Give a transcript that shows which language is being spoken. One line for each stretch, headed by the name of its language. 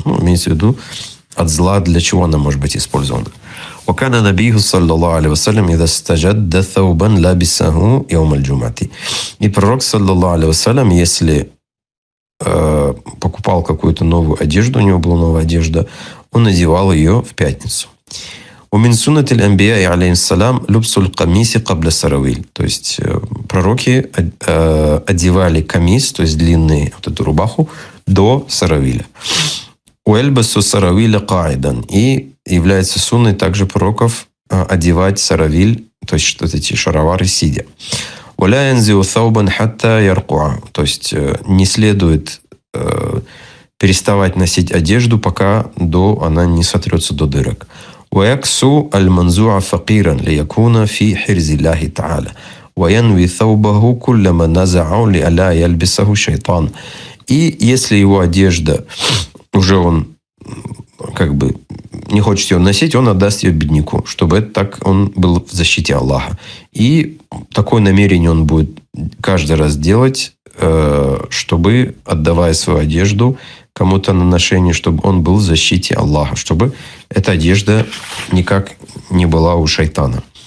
Russian: Ну, имеется в виду, от зла, для чего она может быть использована.
Arabic: وَكَانَ نَبِيُّهُ صَلَّى اللَّهُ عَلَيْهِ وَسَلَّمَ إِذَا اسْتَجَدَّ ثَوْبًا لَبِسَهُ يَوْمَ الْجُمُعَةِ.
Russian: И пророк, саллаллаху алейхи вассалям, если покупал какую-то новую одежду, у него была новая одежда, он надевал ее в пятницу.
Arabic: ومن سنة الأنبياء عليهم السلام لبس القميص قبل السراويل.
Russian: То есть пророки одевали камис, то есть длинный вот эту рубаху, до саравиля.
Arabic: Уэльбасу саравиля каидан.
Russian: И является сунной также пророков одевать саравиль, то есть вот эти шаровары, сидя.
Arabic: Уля янзиу саубан хатта яркуа.
Russian: То есть не следует переставать носить одежду, пока до она не сотрется до дырок.
Arabic: ويكسو المنزوع فقيرا ليكون في حرز الله تعالى وينوي ثوبه كلما نزعه لئلا يلبسه شيطان.
Russian: И если его одежда уже он как бы не хочет ее носить, он отдаст ее бедняку, чтобы так он был в защите Аллаха. И такое намерение он будет каждый раз делать, чтобы, отдавая свою одежду кому-то на ношение, чтобы он был в защите Аллаха, чтобы эта одежда никак не была у шайтана.